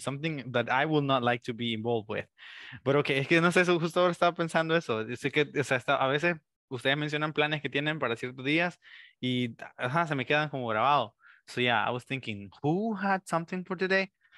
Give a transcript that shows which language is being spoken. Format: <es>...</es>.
<en>Something that I would not like to be involved with. But okay,</en> <es>es que no sé, justo ahora estaba pensando eso. Es que, o sea, a veces ustedes mencionan planes que tienen para ciertos días y se me quedan como grabado.</es> <en>So yeah, I was thinking, who had something for today?</en>